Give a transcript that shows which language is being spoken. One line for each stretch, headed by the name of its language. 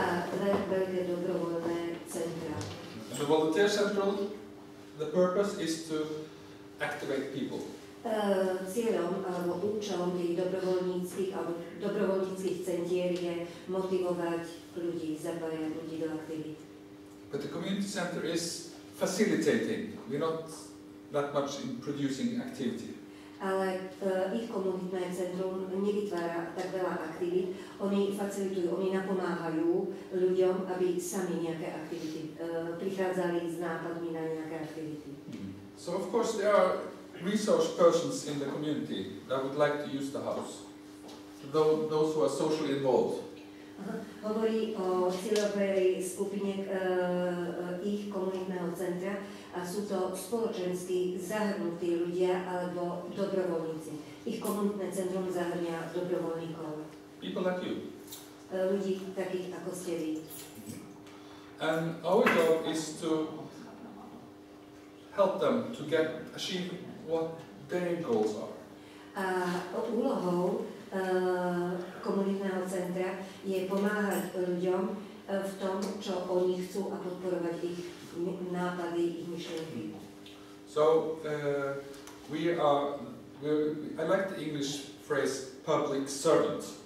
English: And the volunteer central, the purpose is to activate people.
Slovak: Cieľom alebo účelom tých dobrovoľníckych centier je motivovať ľudí, zapájať ľudí do aktivít.
English: But the community center is facilitating. We're not that much in producing activity.
Slovak: Ale ich komunitné centrum nevytvára tak veľa aktivít. Oni facilitujú, oni napomáhajú ľuďom, aby sami nejaké aktivity prichádzali s nápadmi na nejaké aktivity.
English: So of course there are resource persons in the community that would like to use the house. Those who are socially involved.
Slovak: Hovorí o cieľovej skupine ich komunitného centra a sú to spoločensky zahrnutí ľudia alebo dobrovoľníci. Ich komunitné centrum zahrňa dobrovoľníkov.
English: People like you.
Slovak: Ľudí takých ako ste vy.
English: And our job is to help them to get achieve what their goals are.
Slovak: A úlohou komunitného centra je pomáhať ľuďom v tom, čo oni chcú a podporovať ich nápady, ich myšlenky.
English: So I like the English phrase public servant.